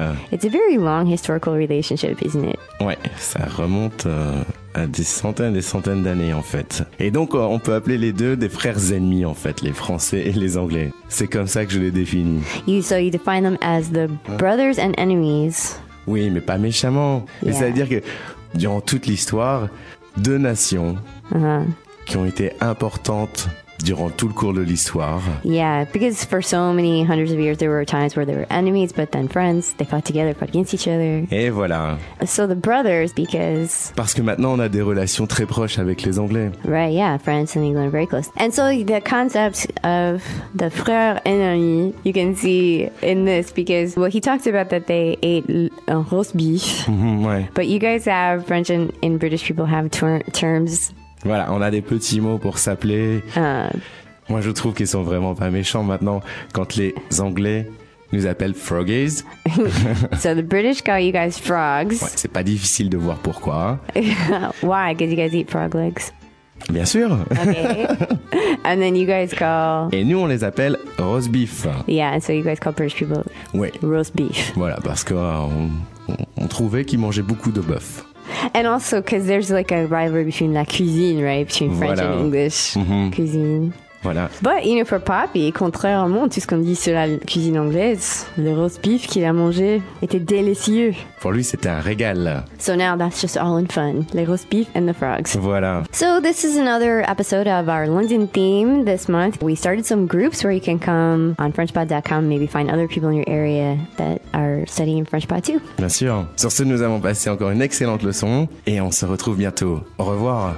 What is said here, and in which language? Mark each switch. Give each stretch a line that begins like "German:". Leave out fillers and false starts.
English: It's a very long historical relationship, isn't it?
French: Ouais, ça remonte à des centaines d'années, en fait. Et donc, on peut appeler les deux des frères ennemis, en fait, les Français et les Anglais. C'est comme ça que je les définis.
English: So you define them as the brothers and enemies.
French: Oui, mais pas méchamment.
English: Yeah.
French: Mais ça veut dire que durant toute l'histoire, deux nations qui ont été importantes durant tout le cours de l'histoire.
English: Yeah, because for so many hundreds of years, there were times where they were enemies, but then friends, they fought together, fought against each other.
French: Et voilà.
English: So the brothers, because...
French: Parce que maintenant, on a des relations très proches avec les Anglais.
English: Right, yeah, France and England are very close. And so the concept of the frère ennemi, you can see in this, because, well, he talked about that they ate un roast beef.
French: Ouais.
English: But you guys have, French and British people have terms...
French: Voilà, on a des petits mots pour s'appeler. Moi, je trouve qu'ils sont vraiment pas méchants. Maintenant, quand les Anglais nous appellent froggies.
English: So the British call you guys frogs.
French: Ouais, c'est pas difficile de voir pourquoi.
English: Why? Because you guys eat frog legs.
French: Bien sûr.
English: Okay. And then you guys call.
French: Et nous, on les appelle roast beef.
English: Yeah, so you guys call British people.
French: Ouais.
English: Roast beef.
French: Voilà, parce que on trouvait qu'ils mangeaient beaucoup de bœuf.
English: And also, because there's like a rivalry between la cuisine, right? Between French
French: voilà.
English: and English cuisine.
French: Voilà.
English: But, you know, for Poppy,
French: contrairement à tout ce qu'on dit sur la cuisine anglaise, le roast beef qu'il a mangé était délicieux. Pour lui, c'était un régal.
English: So now that's just all in fun. Le roast beef and the frogs.
French: Voilà.
English: So this is another episode of our London theme this month. We started some groups where you can come on FrenchPod.com, maybe find other people in your area that are studying FrenchPod too.
French: Bien sûr. Sur ce, nous avons passé encore une excellente leçon et on se retrouve bientôt. Au revoir.